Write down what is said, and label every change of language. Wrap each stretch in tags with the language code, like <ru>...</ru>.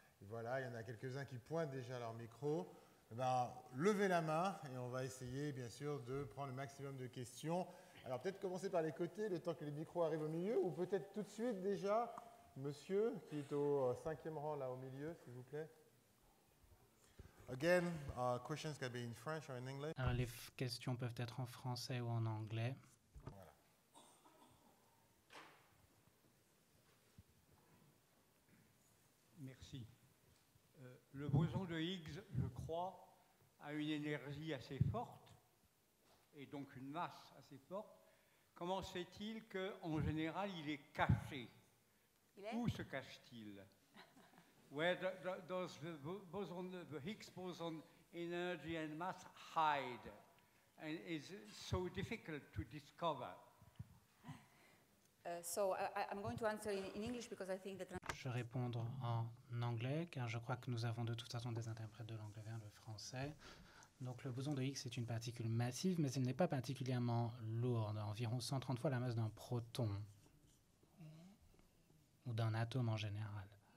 <fr>Voilà, il y en a quelques-uns qui pointent déjà leur micro. Ben, levez la main et on va essayer bien sûr de prendre le maximum de questions. Alors peut-être commencer par les côtés le temps que les micros arrivent au milieu ou peut-être tout de suite déjà, monsieur qui est au cinquième rang là au milieu, s'il vous plaît.</fr> <en>Again, questions can be in French or in English.</en> <fr>Alors, les questions peuvent être en français ou en anglais. Voilà. Merci. Le boson de Higgs, je crois, a une énergie assez forte et donc une masse assez forte. Comment sait-il que, en général, il est caché ? Où se cache-t-il ?</fr> <en>Where does the boson, the Higgs boson energy and mass hide? And is so difficult to discover? So I'm going to answer in English because I think that.</en> <fr>Je réponds en anglais car je crois que nous avons de toute façon des interprètes de l'anglais vers le français. Donc le boson de Higgs est une particule massive, mais elle n'est pas particulièrement lourde, environ 130 fois la masse d'un proton ou d'un atome en général.</fr>